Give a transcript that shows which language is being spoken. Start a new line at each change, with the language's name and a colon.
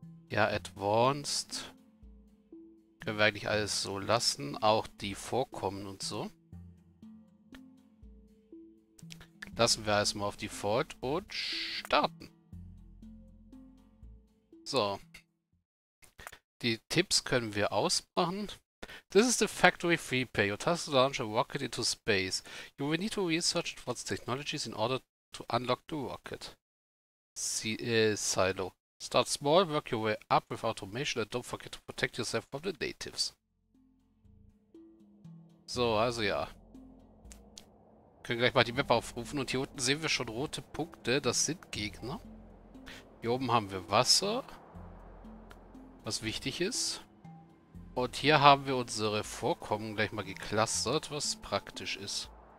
German: Ja, Advanced. Können wir eigentlich alles so lassen. Auch die Vorkommen und so. Lassen wir erstmal auf Default und starten. So. Die Tipps können wir ausmachen.
English: This is the factory free pay. Your task is to launch a rocket into space. You will need to research advanced technologies in order to unlock the rocket. Silo. Start small, work your way up with automation and don't forget to protect yourself from the natives.
German: So, also ja. Können gleich mal die Map aufrufen und hier unten sehen wir schon rote Punkte. Das sind Gegner. Hier oben haben wir Wasser, was wichtig ist. Und hier haben wir unsere Vorkommen gleich mal geclustert, was praktisch ist.